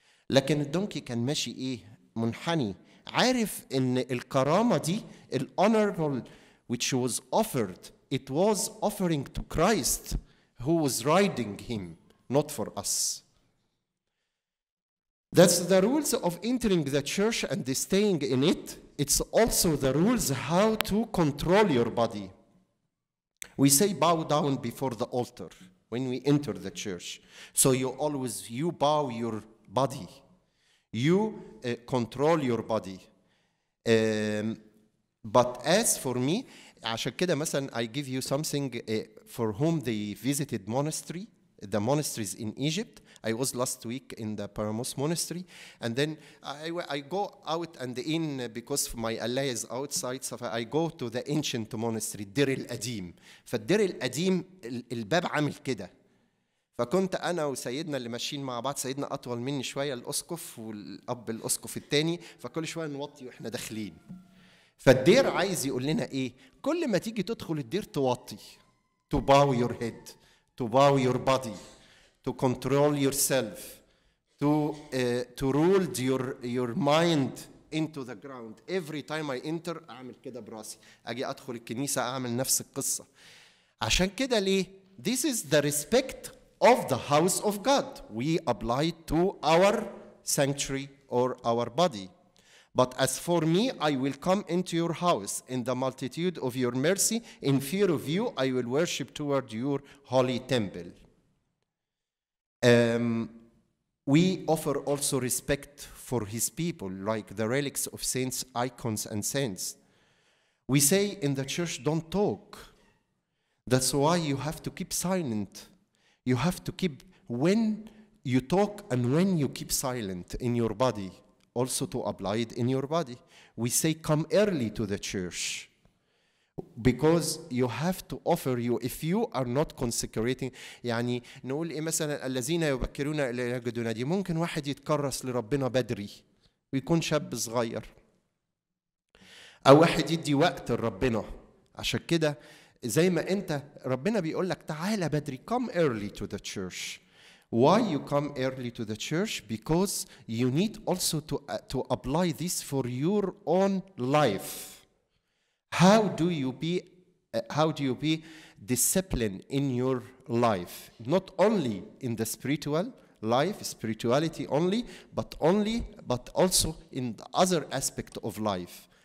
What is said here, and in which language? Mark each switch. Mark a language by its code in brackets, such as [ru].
[ar] لكن الدونكي كان ماشي ايه منحني عارف ان الكرامه دي [en] honorable which was offered it was offering to Christ who was riding him not for us That's the rules of entering the church and staying in it. It's also the rules how to control your body. We say bow down before the altar when we enter the church. So you bow your body. You control your body. But as for me, [ar] عشان كده مثلا [en] I give you something for whom they visited monastery. The monasteries in Egypt. I was last week in the Paramos monastery, and then I go out and in because my Allah is outside. So I go to the ancient monastery, Dir al-Adim. For Dir al-Adim, [ar] الباب عمل كده. فكنت أنا وسيدنا اللي ماشيين مع بعض سيدنا أطول مني شوية الأسقف والأب الأسقف الثاني. فكل شوية نوطي وإحنا داخلين. فالدير عايز يقول لنا إيه؟ كل ما تيجي تدخل الدير توطي. [en] To bow your head. To bow your body, to control yourself, to rule your mind into the ground. Every time I enter, [ar] أعمل كده براسي. أجي أدخل الكنيسة أعمل نفس القصة. عشان كده ليه? [en] This is the respect of the house of God. We apply to our sanctuary or our body. But as for me, I will come into your house in the multitude of your mercy. In fear of you, I will worship toward your holy temple. We offer also respect for his people, like the relics of saints, icons, and saints. We say in the church, don't talk. That's why you have to keep silent. You have to keep when you talk and when you keep silent in your body. also to apply it in your body. We say come early to the church because you have to offer you, if you are not consecrating, [ar] يعني نقول إيه مثلا الذين يبكرون إلى يجدون دي ممكن واحد يتكرس لربنا بدري ويكون شاب صغير أو واحد يدي وقت لربنا. عشان كده زي ما أنت ربنا بيقول لك تعالى بدري, [en] come early to the church. Why you come early to the church? Because you need also to apply this for your own life. How do you be disciplined in your life? Not only in the spiritual life, spirituality only, but also in the other aspect of life.